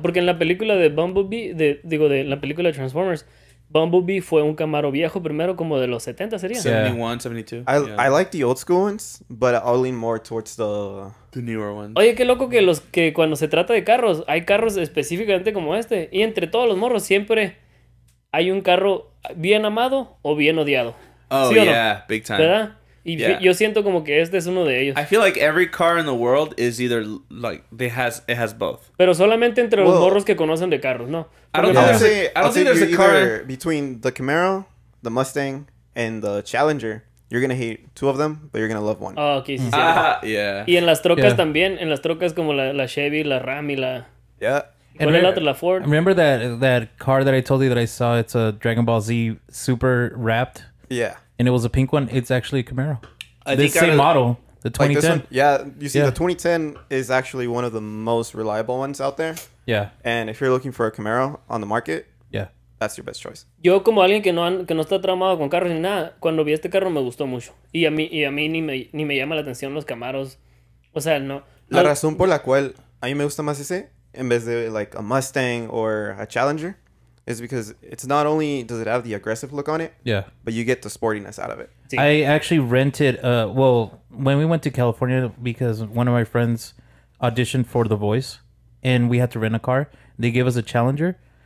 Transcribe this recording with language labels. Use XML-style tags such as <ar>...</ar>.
<es>Porque en la película de Bumblebee, de la película de Transformers, Bumblebee fue un Camaro viejo primero, como de los 70, sería. 71, 72.</es> <en>I like the old school ones, but I'll lean more towards the newer ones.</en> <es>Oye, qué loco que cuando se trata de carros, hay carros específicamente como este. Y entre todos los morros siempre... ¿Hay un carro bien amado o bien odiado?</es> <en>Oh,</en> <es>¿sí o no?</es> <en>Yeah, big time.</en> <es>¿Verdad? Y yo siento como que este es uno de ellos.</es> <en>I feel like every car in the world is either, like, it has both.</en> <es>Pero solamente entre los morros que conocen de carros, ¿no?</es> <en>I don't think there's a car... Between the Camaro, the Mustang, and the Challenger, you're gonna hate two of them, but you're gonna love one. Oh, okay, sí. Yeah.</en> <es>Y en las trocas también, en las trocas como la Chevy, la Ram y la...</es> <en>Yeah. And la Ford. Remember that car that I told you that I saw? It's a Dragon Ball Z Super wrapped. Yeah. And it was a pink one. It's actually a Camaro. Model, the 2010. Like this one, the 2010 is actually one of the most reliable ones out there. Yeah. And if you're looking for a Camaro on the market, yeah, that's your best choice.</en> <es>Yo como alguien que no está traumado con carros ni nada, cuando vi este carro me gustó mucho. Y a mí ni me llama la atención los Camaros. O sea, no. La razón por la cual a mí me gusta más ese... In vez de</es> <en>like a Mustang or a Challenger, is because it's not only does it have the aggressive look on it, yeah, but you get the sportiness out of it. I actually rented, when we went to California, because one of my friends auditioned for The Voice and we had to rent a car, they gave us a Challenger.</en>